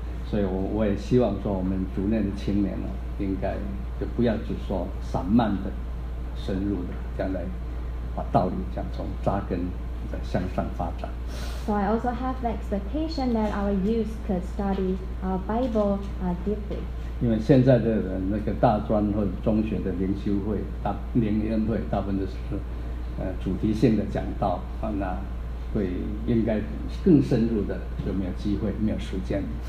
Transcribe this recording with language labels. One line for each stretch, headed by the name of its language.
Chinese: 所以我也希望说我们主内的青年应该就不要只说散漫的深入的将来把道理这样从扎根在向上发展。
English: So I also have the expectation that our youth could study our Bible deeply.
Chinese: 因为现在的那个大专或者中学的灵修会、灵恩会，大部分都是主题性的讲道，那会应该更深入的就没有机会、没有时间。